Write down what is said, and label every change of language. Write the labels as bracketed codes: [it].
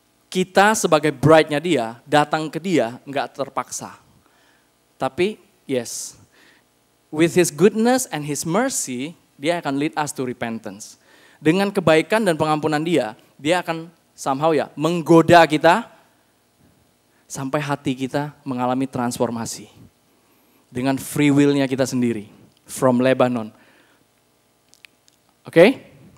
[id] Kita sebagai bride-nya dia, datang ke dia, gak terpaksa. [en] Tapi, yes, with his goodness and his mercy, [id] dia akan [en] lead us to repentance. [id] Dengan kebaikan dan pengampunan dia, dia akan somehow ya menggoda kita sampai hati kita mengalami transformasi. dengan free will-nya kita sendiri. [en] From Lebanon. Oke?